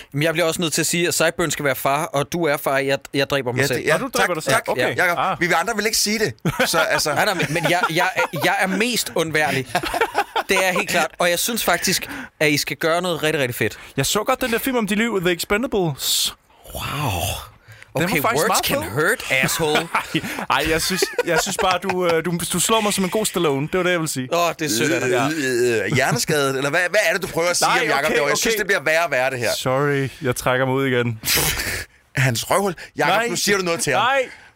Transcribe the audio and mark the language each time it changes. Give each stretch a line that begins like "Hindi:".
Danish: Men jeg bliver også nødt til at sige, at Sideburn skal være far, og du er far. Jeg dræber mig selv. Ja, du dræber dig selv. Tak. Okay. Ja. Jacob, vi andre vil ikke sige det. Så, altså. Nej, men jeg er mest undværlig. Det er helt klart. Og jeg synes faktisk, at I skal gøre noget rigtig, rigtig fedt. Jeg så godt den der film om dit liv, The Expendables. Wow.
English: Okay, words can hurt, asshole.
Danish: Ej, jeg synes bare, du slår mig som en god Stallone. Det var det, jeg ville sige. Åh, det er sødt af dig. Hjerneskadet? Eller hvad er det, du prøver at sige om Jacob? Jeg synes, det bliver værre og værre, det her. Sorry, jeg trækker mig ud igen. Hans røvhul. Jacob, nu siger du noget til ham. Nej.